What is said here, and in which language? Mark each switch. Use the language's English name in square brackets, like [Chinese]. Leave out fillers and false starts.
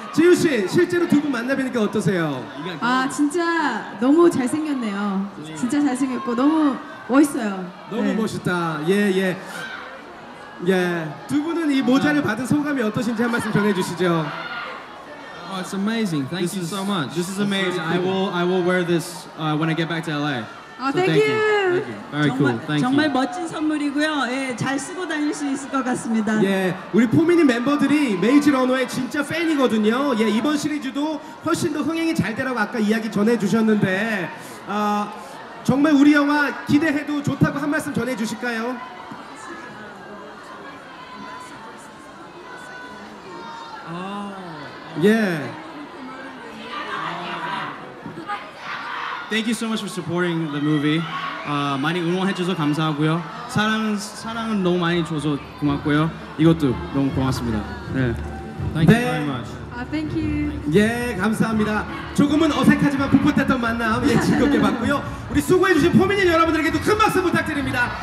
[Korean] 지유 씨, 실제로 두 분 만나뵈니까 어떠세요? 아, 진짜 너무 잘생겼네요. 진짜 잘생겼고 너무 멋있어요. 너무 네. 멋있다. 예, 예. 예. 두 분은 이 모자를 받은 소감이 어떠신지 한 말씀 전해 주시죠. [English] Oh, it's amazing. Thank you so much. This is amazing. I will wear this when I get back to LA. Thank you. Very cool. Thank you. [Korean] 정말 멋진 선물이고요. 예, 잘 쓰고 다닐 수 있을 것 같습니다. 예, 우리 포미닛 멤버들이 메이지 러너의 진짜 팬이거든요. 예, 이번 시리즈도 훨씬 더 흥행이 잘 되라고 아까 이야기 전해 주셨는데, 정말 우리 영화 기대해도 좋다고 한 말씀 전해 주실까요? 아, 예. [English] Thank you so much for supporting the movie. [Korean] 많이 응원해줘서 감사하고요. 사랑은 너무 많이 줘서 고맙고요. 이것도 너무 고맙습니다. 네. [English] Thank you very much. Thank you. [Korean] 예, 감사합니다. 조금은 어색하지만 풋풋했던 만남, 예, 즐겁게 봤고요. 우리 수고해주신 포미닛 여러분들에게도 큰 박수 부탁드립니다.